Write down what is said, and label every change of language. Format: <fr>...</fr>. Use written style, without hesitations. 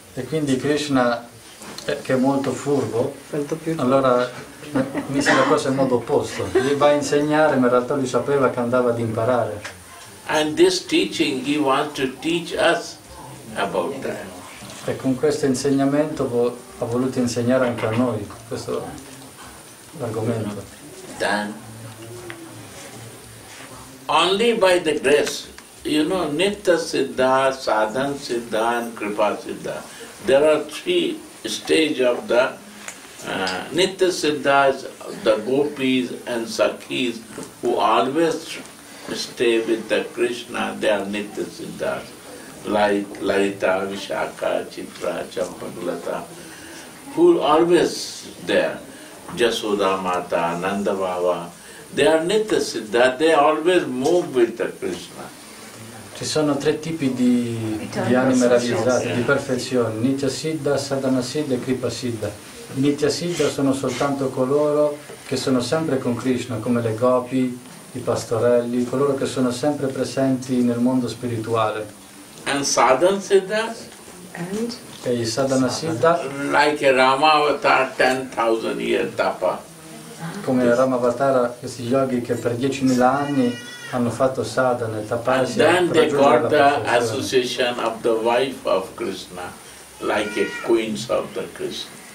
<it>E quindi Krishna, che è molto furbo, allora mise la cosa in modo opposto. Gli va a insegnare, ma in realtà lui sapeva che andava ad imparare.</it> <en>And this teaching he wants to teach us about that.</en> <it>E con questo insegnamento ha voluto insegnare anche a noi questo argomento.</it> <en>Then, only by the grace, you know, Nitya Siddha, Sadhan Siddha and Kripa Siddha. There are three stages of the Nitya Siddha, the gopis and sakhis who always stay with the Krishna, they are Nitya Siddhas, like Lalita, Vishakha, Chitra, Champakulata, who are always there. Jasoda Mata, Nanda Baba, they are Nitya Siddhas, they always move with the Krishna.</en> <it>Ci sono tre tipi di anime realizzate, di perfezione, Nitya Siddha, Sadhana Siddha e Kripa Siddha. Nitya Siddha sono soltanto coloro che sono sempre con Krishna, come le gopi, i pastorelli, coloro che sono sempre presenti nel mondo spirituale.</it> <en>And Sadhana Siddha?</en> <it>E il Sadhana Siddha?</it> <en>Like Ramavatar, 10,000 years tapa.</en> <it>Come Ramavatara, questi yogi che per 10,000 anni hanno fatto sadhana, tapasya.</it> <en>And then they got the association of the wife of Krishna, like a queens of the Krishna.</en>